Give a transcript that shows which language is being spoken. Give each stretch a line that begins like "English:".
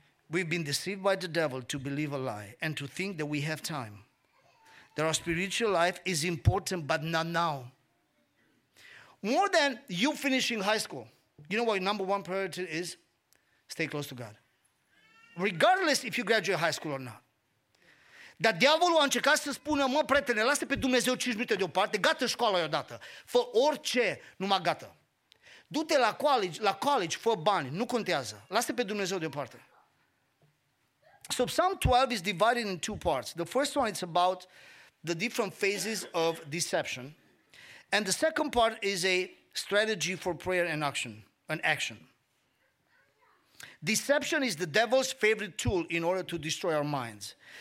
English: We've been deceived by the devil to believe a lie and to think that we have time. That our spiritual life is important, but not now. More than you finishing high school, you know what your number one priority is? Stay close to God. Regardless if you graduate high school or not.
Romanian: Dar diavolul a încercat să spună, mă, prietene, lasă pe Dumnezeu 5 minute deoparte, gata școala odată. Fă orice, numai gata. Du-te la college, fă bani, nu contează. Lasă pe Dumnezeu deoparte.
English: So Psalm 12 is divided in two parts. The first one is about the different phases of deception. And the second part is a strategy for prayer and action. Deception is the devil's favorite tool in order to destroy our minds.